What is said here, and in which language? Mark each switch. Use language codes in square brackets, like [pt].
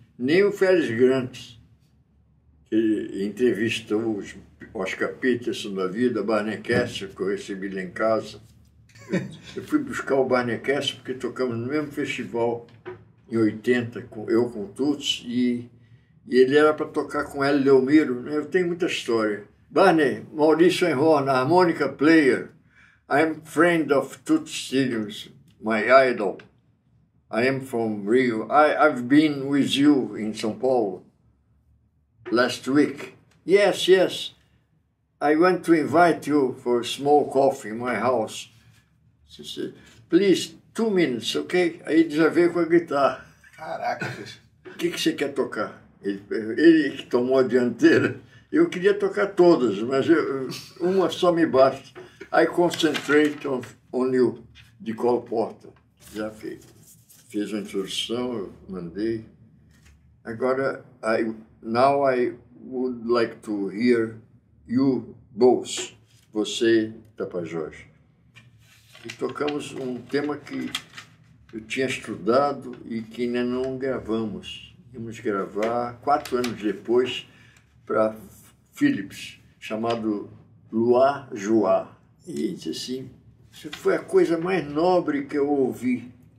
[pt] Nem o Félix Grant, que entrevistou os Oscar Peterson da vida, Barney Kessler, que eu recebi lá em casa. Eu fui buscar o Barney Kessler porque tocamos no mesmo festival em 80, eu com o Tuts, e ele era para tocar com Hélio Delmiro, né? Eu tenho muita história. [en] Barney, Maurício Einhorn, harmonica player, I'm friend of Tuts Stevens, my idol, I am from Rio, I've been with you in São Paulo last week. Yes, yes, I want to invite you for a small coffee in my house. She said, please, 2 minutes, ok? [pt] Aí ele já veio com a guitarra. Caraca! O que você quer tocar? Ele que tomou a dianteira. Eu queria tocar todas, mas uma só me basta. I concentrate on you, de Cole Porter. Já feito. Fiz a introdução, eu mandei. [en] Agora, now I would like to hear you both. [pt] Você, Tapajós. E tocamos um tema que eu tinha estudado e que ainda não gravamos. Íamos gravar 4 anos depois para Philips, chamado Luar Joá. E disse assim, isso foi a coisa mais nobre que eu ouvi.